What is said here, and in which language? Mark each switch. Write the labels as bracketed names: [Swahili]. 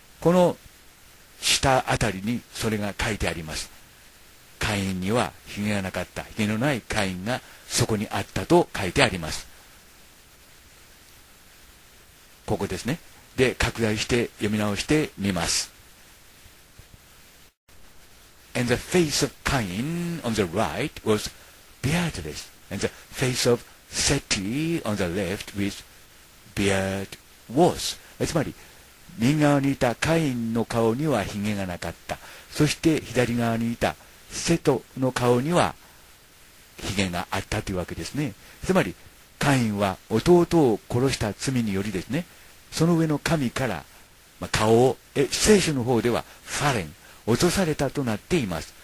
[Japanese] この下あたりにそれが書いてあります。カインにはヒゲがなかった、ヒゲのないカインがそこにあったと書いてあります。ここですね。で、拡大して読み直してみます。 [English] And the face of Cain on the right was beardless, and the face of Seti on the left with beard was. [Japanese] つまり、右側にいたカインの顔にはひげがなかった。そして左側にいたセトの顔にはひげがあったというわけですね。つまり、カインは弟を殺した罪によりですね、その上の神から、まあ、顔を、聖書の方ではファレン、落とされたとなっています。